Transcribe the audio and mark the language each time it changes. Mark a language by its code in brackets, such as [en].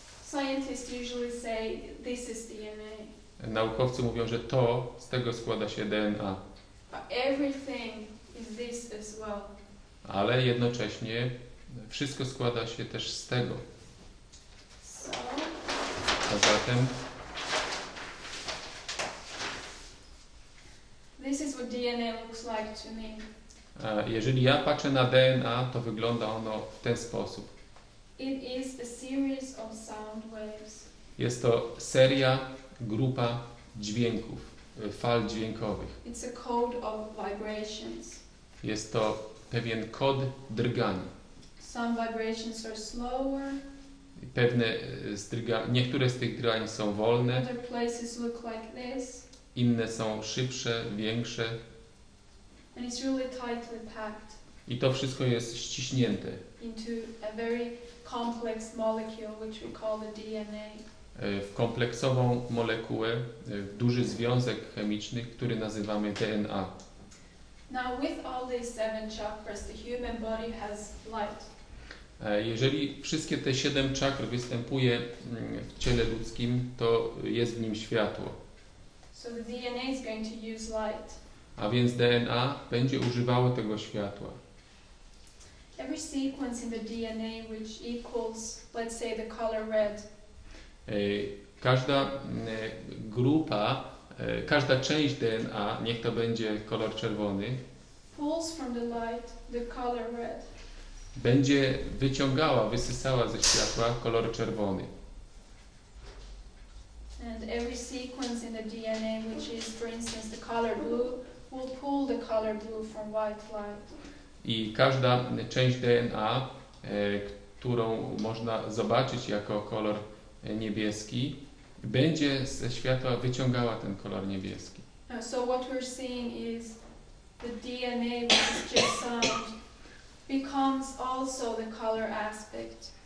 [en] Scientists usually say this is DNA. [pl] Naukowcy mówią, że to z tego składa się DNA. [en] Everything is this as well. [pl] Ale jednocześnie wszystko składa się też z tego. [en] So. [pl] A zatem. [en] This is what DNA looks like to me. [pl] Jeżeli ja patrzę na DNA, to wygląda ono w ten sposób. [en] It is a series of sound waves. [pl] Jest to seria, grupa dźwięków, fal dźwiękowych. [en] It's a code of vibrations. [pl] Jest to pewien kod drgań. [en] Some vibrations are slower. [pl] Pewne niektóre z tych drgań są wolne. [en] Other places look like this. [pl] Inne są szybsze, większe. [en] And it's really tightly packed. [pl] I to wszystko jest ściśnięte. [en] Into a very complex molecule, which we call the DNA. [pl] W kompleksową molekułę, w duży związek chemiczny, który nazywamy DNA. [en] Now with all these seven chakras, the human body has light. [pl] Jeżeli wszystkie te siedem czakr występuje w ciele ludzkim, to jest w nim światło. [en] So the DNA is going to use light. [pl] A więc DNA będzie używało tego światła. [en] Every sequence in the DNA which equals, let's say, the color red. [pl] Każda grupa, każda część DNA, niech to będzie kolor czerwony. [en] Pulls from the light the color red. [pl] Będzie wyciągała, wysysała ze światła kolor czerwony. [en] And every sequence in the DNA, which is, for instance, the color blue, will pull the color blue from white light. [pl] I każda część DNA, którą można zobaczyć jako kolor niebieski, będzie ze światła wyciągała ten kolor niebieski. [en] So what we're seeing is the DNA which is just sound becomes also the color aspect.